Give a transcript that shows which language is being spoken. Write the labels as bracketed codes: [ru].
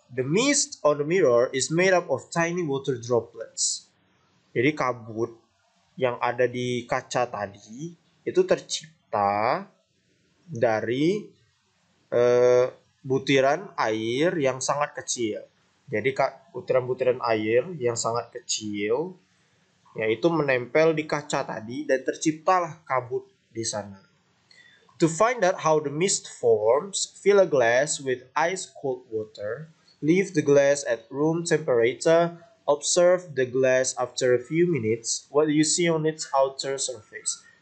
[en] The mist on the mirror is made up of tiny water droplets. [id] Jadi kabut yang ada di kaca tadi itu tercipta dari butiran air yang sangat kecil. Jadi butiran-butiran air yang sangat kecil yaitu menempel di kaca tadi dan terciptalah kabut di sana. [en] To find out how the mist forms, fill a glass with ice cold water, leave the glass at room temperature, observe the glass after a few minutes, what you see on its outer surface.